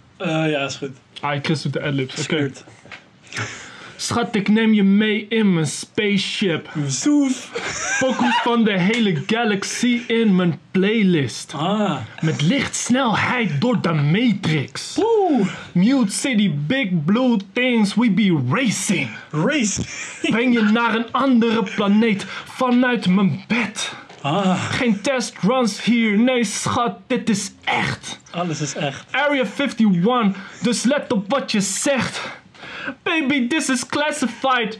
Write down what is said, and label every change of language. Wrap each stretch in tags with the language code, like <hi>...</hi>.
<nl>Ja, is goed. Ah, Chris doet de adlibs. Oké. Okay. Schat, ik neem je mee in mijn spaceship. Zoef. Focus van de hele galaxy in mijn playlist. Met lichtsnelheid door de Matrix.</nl> <en>Mute City, big blue things, we be racing.</en> <nl>Race. Breng je naar een andere planeet vanuit mijn bed. Geen test runs hier, nee schat, dit is echt. Alles is echt. Area 51, dus let op wat je zegt.</nl> <en>Baby, this is classified.</en>